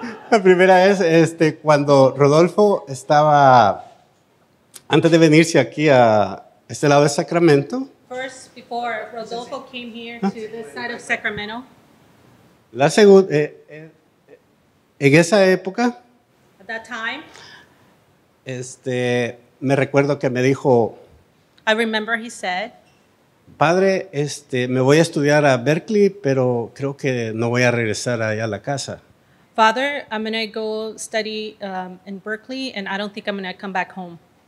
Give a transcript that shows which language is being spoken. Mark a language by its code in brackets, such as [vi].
[es] La primera es, cuando Rodolfo estaba, antes de venirse aquí a este lado de Sacramento. [en] First, before Rodolfo came here to this side of Sacramento. [es] La segunda, en esa época, [en] at that time, [es] me recuerdo que me dijo, [en] I remember he said, [es] padre, me voy a estudiar a Berkeley, pero creo que no voy a regresar allá a la casa. [en] Father, I'm going to go study in Berkeley, and I don't think I'm going to come back home.